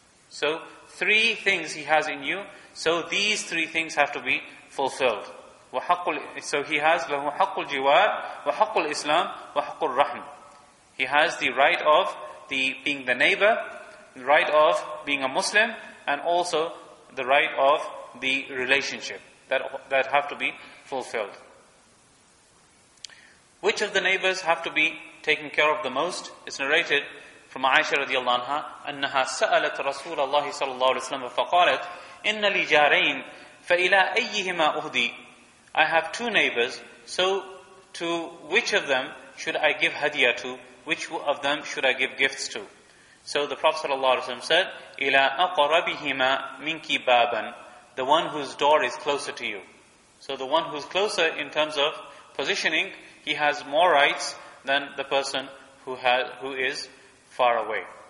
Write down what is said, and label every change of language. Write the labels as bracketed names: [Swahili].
[English] So three things he has in you. So these three things have to be fulfilled. So he has [Arabic] لَهُ حَقُّ الْجِوَارِ وَحَقُّ الْإِسْلَامِ وَحَقُّ الرَّحْمِ. [English] He has the right of the being the neighbor, the right of being a Muslim, and also the right of the relationship that have to be fulfilled. Which of the neighbors have to be taken care of the most? It's narrated from Aisha [Arabic] radiallahu anha, أَنَّهَا سَأَلَتْ رَسُولَ اللَّهِ صَلَى اللَّهُ عَلَيْهِ وَسَلَّمَ فَقَالَتْ إِنَّ لِي جَارَيْنِ فَإِلَىٰ أَيِّهِمَا أُهْدِي. [English] I have two neighbors, so to which of them should I give hadiyah to? Which of them should I give gifts to? So the Prophet sallallahu alaihi wasallam said, [Arabic] إِلَىٰ أَقْرَبِهِمَا مِنْكِ بَابًا. [English] The one whose door is closer to you. So the one who's closer in terms of positioning, he has more rights than the person who is far away.